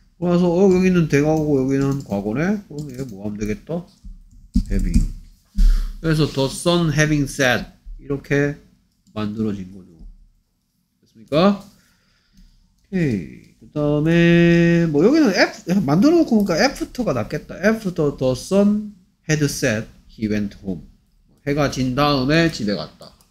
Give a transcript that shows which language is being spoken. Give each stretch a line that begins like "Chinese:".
Korean: 그러면서 어, 여기는 대가고 여기는 과거네. 그럼 얘 뭐 하면 되겠다? having. 그래서
English: the sun having set
Korean: 이렇게 만들어진 거죠. 오케이. 그 다음에 뭐 여기는 만들어 놓고 보니까 after가 낫겠다.
English: after the sun had set he went home.
Korean: 해가 진 다음에 집에 갔다.